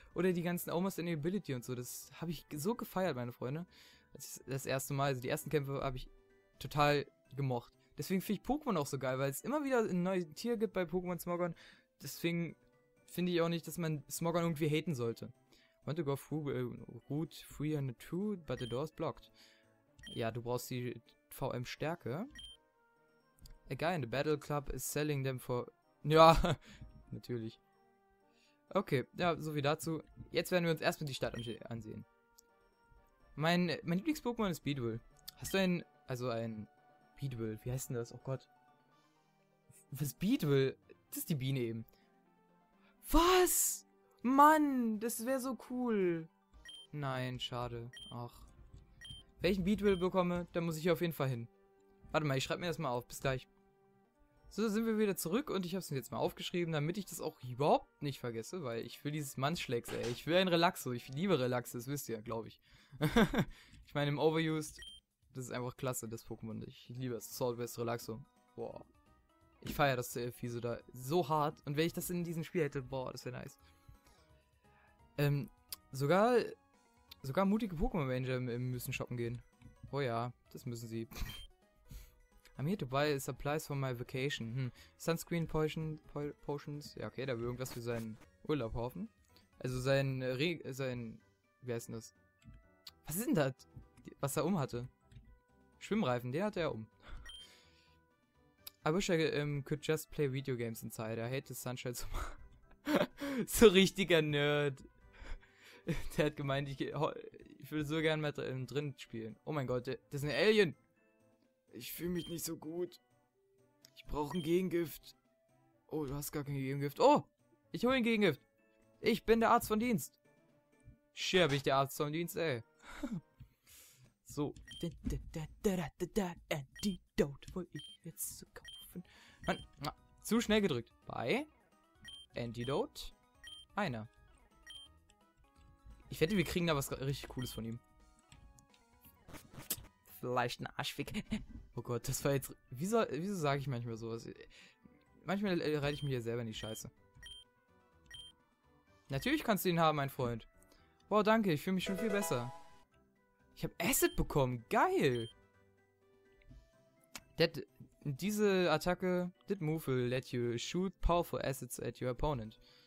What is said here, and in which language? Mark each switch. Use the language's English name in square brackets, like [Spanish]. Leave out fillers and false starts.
[German] Oder die ganzen Almost Any Ability und so. Das habe ich so gefeiert, meine Freunde. Das erste Mal, also die ersten Kämpfe, habe ich total gemocht. Deswegen finde ich Pokémon auch so geil, weil es immer wieder ein neues Tier gibt bei Pokémon Smogon. Deswegen... finde ich auch nicht, dass man Smogon irgendwie haten sollte. [English] Want to go through route 302, but the door is blocked. [German] Ja, du brauchst die VM-Stärke. [English] A guy in the battle club is selling them for... [German] Ja, natürlich. Okay, ja, so wie dazu. Jetzt werden wir uns erstmal die Stadt ansehen. Mein Lieblings-Pokémon ist Beedwill. Hast du einen... Also ein Beedwill, wie heißt denn das? Oh Gott. Was Beedwill? Das ist die Biene eben. Was? Mann, das wäre so cool. Nein, schade. Ach. Wenn ich ein Beedwill bekomme, dann muss ich hier auf jeden Fall hin. Warte mal, ich schreibe mir das mal auf. Bis gleich. So, sind wir wieder zurück und ich habe es jetzt mal aufgeschrieben, damit ich das auch überhaupt nicht vergesse, weil ich will dieses Mannschlecks, ey. Ich will ein Relaxo. Ich liebe Relaxo, das wisst ihr, glaube ich. Ich meine, im Overused, das ist einfach klasse, das Pokémon. Ich liebe das Saltwest Relaxo. Boah. Ich feiere das Fieso da so hart. Und wenn ich das in diesem Spiel hätte, boah, das wäre nice. Sogar mutige Pokémon-Ranger müssen shoppen gehen. Oh ja, das müssen sie. [English] I'm here to buy supplies for my vacation. Sunscreen Potions. [German] Ja, okay, da will irgendwas für seinen Urlaub kaufen. Also sein, wie heißt denn das? Was ist denn das, was er umhatte? Schwimmreifen, den hatte er um. [English] I wish I could just play video games inside. I hate the sunshine so much. [German] So richtiger Nerd. Der hat gemeint, ich würde so gerne mal drin spielen. Oh mein Gott, das ist ein Alien. Ich fühle mich nicht so gut. Ich brauche ein Gegengift. Oh, du hast gar kein Gegengift. Oh, ich hole ein Gegengift. Ich bin der Arzt von Dienst. Scher, bin ich der Arzt von Dienst, ey. So. Antidote, wo ich jetzt zu kaufen. Mann, zu schnell gedrückt. Bei Antidote. Einer. Ich wette, wir kriegen da was richtig Cooles von ihm. Vielleicht ein Arschfick. Oh Gott, das war jetzt. Wieso sage ich manchmal sowas? Manchmal reite ich mich ja selber in die Scheiße. Natürlich kannst du ihn haben, mein Freund. Boah, danke, ich fühle mich schon viel besser. Ich habe Acid bekommen. Geil. Diese Attacke, [English] that move will let you shoot powerful acids at your opponent.